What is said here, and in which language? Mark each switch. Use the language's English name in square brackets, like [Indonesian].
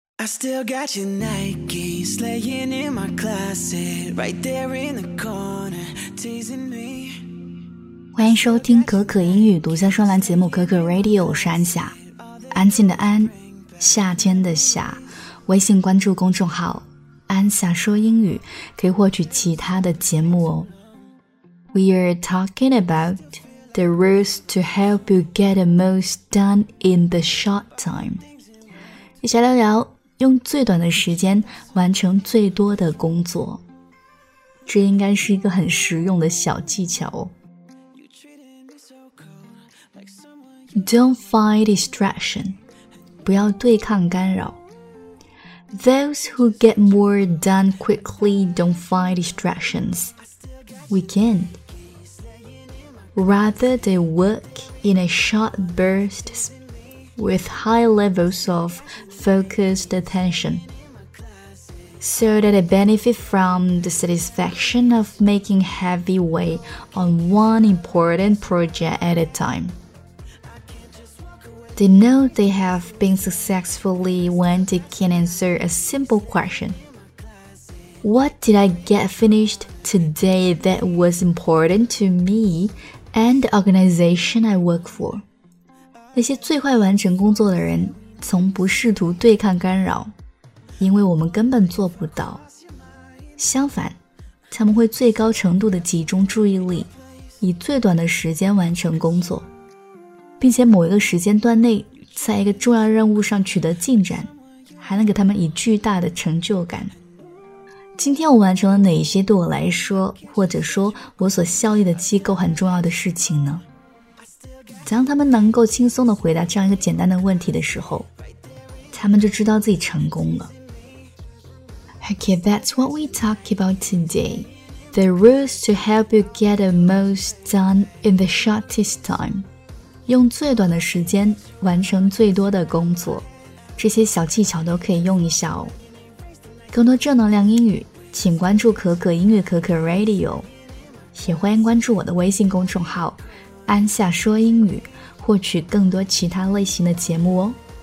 [English] I still got your Nikes laying in my closet, right there in the corner, teasing me. [Chinese] 欢迎收听可可英语独家专栏节目可可 Radio， 我是安夏，安静的安，夏天的夏。微信关注公众号安夏说英语，可以获取其他的节目哦。 [English] We are talking about the rules to help you get the most done in the short time. [Chinese] 一起来聊聊用最短的时间完成最多的工作。这应该是一个很实用的小技巧哦。 [English] Don't fight distraction. [Chinese] 不要对抗干扰。 [English] Those who get more done quickly don't fight distractions. Weekend. Rather, they work in a short burst with high levels of focused attention, so that they benefit from the satisfaction of making heavy way on one important project at a time. They know they have been successfully when they can answer a simple question. What did I get finished today that was important to me? And the organization I work for. [Chinese] 那些最快完成工作的人从不试图对抗干扰，因为我们根本做不到。相反，他们会最高程度地集中注意力，以最短的时间完成工作，并且某一个时间段内在一个重要任务上取得进展，还能给他们以巨大的成就感。今天我完成了哪些对我来说，或者说我所效力的机构很重要的事情呢？当他们能够轻松地回答这样一个简单的问题的时候，他们就知道自己成功了。 [English] Okay, that's what we talk about today. The rules to help you get the most done in the shortest time. [Chinese] 用最短的时间完成最多的工作，这些小技巧都可以用一下哦。更多正能量英语，请关注可可英语可可 Radio， 也欢迎关注我的微信公众号安夏说英语，获取更多其他类型的节目哦。